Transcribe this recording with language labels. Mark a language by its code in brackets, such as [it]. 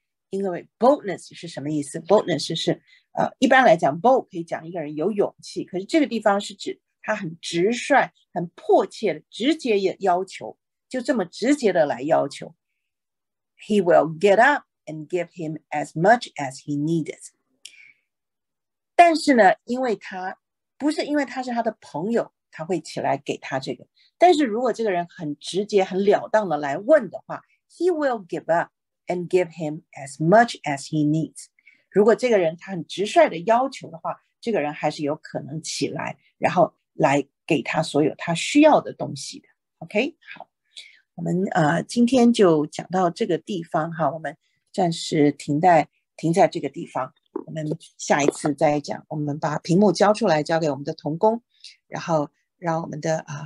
[zh] 因为 boldness 是什么意思 ？boldness 是一般来讲 bold 可以讲一个人有勇气，可是这个地方是指他很直率、很迫切的直接要求，就这么直接的来要求。 [en] He will get up and give him as much as he needs. [zh] 但是呢，因为他不是因为他是他的朋友，他会起来给他这个。但是如果这个人很直接、很了当的来问的话 ， [en] he will give up. And give him as much as he needs. [zh] 如果这个人他很直率的要求的话，这个人还是有可能起来，然后来给他所有他需要的东西的。 OK， 好，我们今天就讲到这个地方哈，我们暂时停在这个地方，我们下一次再讲。我们把屏幕交出来，交给我们的同工，然后让我们的